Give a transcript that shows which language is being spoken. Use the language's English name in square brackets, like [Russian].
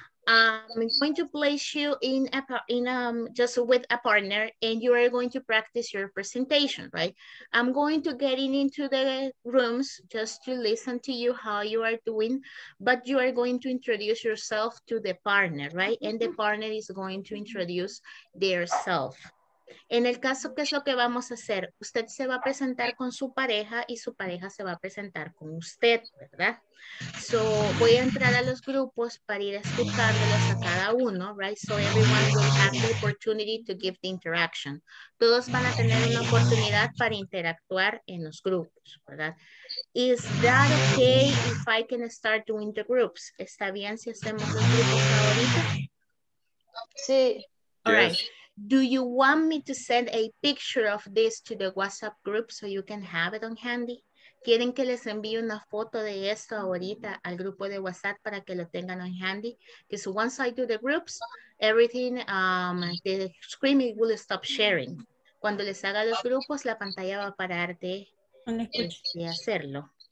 [English] I'm going to place you in a just with a partner, and you are going to practice your presentation, right? I'm going to get into the rooms just to listen to you how you are doing, but you are going to introduce yourself to the partner, right? And the partner is going to introduce their self. [Spanish] En el caso, ¿qué es lo que vamos a hacer? Usted se va a presentar con su pareja y su pareja se va a presentar con usted, ¿verdad? So, voy a entrar a los grupos para ir escuchándolos a cada uno, right? [English] So, everyone will have the opportunity to give the interaction. [Spanish] Todos van a tener una oportunidad para interactuar en los grupos, ¿verdad? [English] Is that okay if I can start doing the groups? [Spanish] ¿Está bien si hacemos los grupos ahorita? Sí. [English] All right. Do you want me to send a picture of this to the WhatsApp group so you can have it on handy? [Spanish] ¿Quieren que les envíe una foto de esto ahorita al grupo de WhatsApp para que lo tengan on handy? [English] Because once I do the groups, everything, the screen will stop sharing. [Spanish] Cuando les haga los grupos, la pantalla va a parar de hacerlo.